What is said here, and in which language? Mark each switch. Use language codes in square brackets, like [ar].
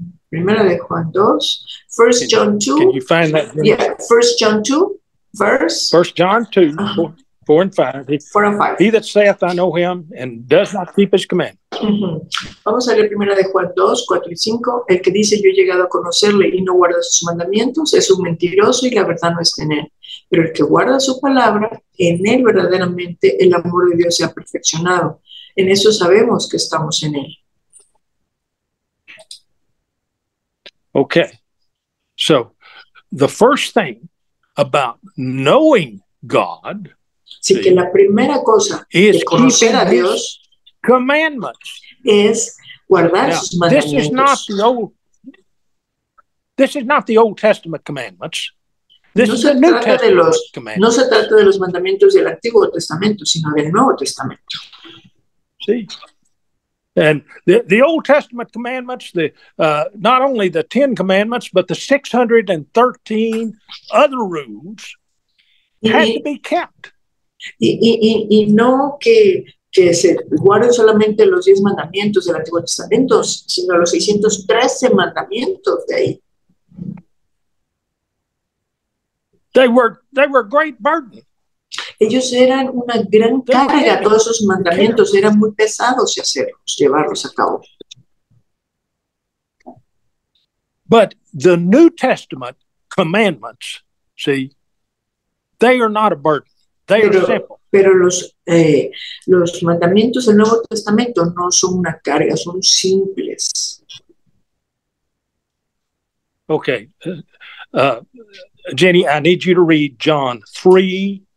[es] Primera de Juan 2, [en] 1 John 2. Can you find that? Yeah, 1 John 2, verse. 1 John 2, 4 and 5. 4 and 5. He that saith, I know him, and does not keep his commandments. [es] Uh-huh. Vamos a leer Primera de Juan 2, 4 y 5. El que dice, yo he llegado a conocerle y no guarda sus mandamientos, es un mentiroso y la verdad no está en él. Pero el que guarda su palabra, en él verdaderamente el amor de Dios se ha perfeccionado. En eso sabemos que estamos en él. [en] Okay, so the first thing about knowing God, [es] sí, que la primera cosa [en] is [es] de conocer a Dios, [en] commandments, [es] es guardar [en] now, [es] sus mandamientos. [en] This is not the Old Testament commandments. [es] No se trata de los mandamientos del Antiguo Testamento, sino del Nuevo Testamento. Sí. [en] And the Old Testament commandments, not only the Ten Commandments, but the 613 other rules had to be kept. [es] Y no que se guarden solamente los 10 mandamientos del Antiguo Testamento, sino los 613 mandamientos de ahí. [en] They were great burden. [es] Ellos eran una gran carga, todos esos mandamientos eran muy pesados de hacerlos, llevarlos a cabo. [en] But the New Testament commandments, see, they are not a burden, they are simple. [es] Pero los mandamientos del Nuevo Testamento no son una carga, son simples. [en] Okay, Jenny, I need you to read John 3.